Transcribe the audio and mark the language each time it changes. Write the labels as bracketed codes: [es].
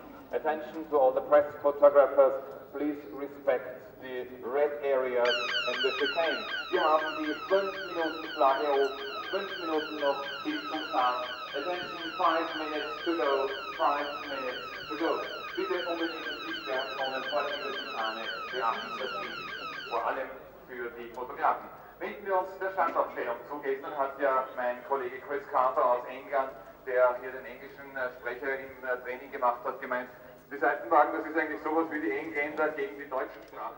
[en] Attention to all the press photographers, please respect the red areas and the chicane. [de] Wir haben die 5 Minuten Flagge hoch, 5 Minuten noch bis zum Start. [en] Attention, 5 minutes to go, 5 minutes to go. [de] Bitte unbedingt die Sperrzonen vor der Titane beachten, das gilt vor allem für die Fotografen. Wenden wir uns der Standaufstellung zu. Gestern hat ja mein Kollege Chris Carter aus England, der hier den englischen Sprecher im Training gemacht hat, gemeint, die Seitenwagen, das ist eigentlich sowas wie die Engländer gegen die deutschen Sprache.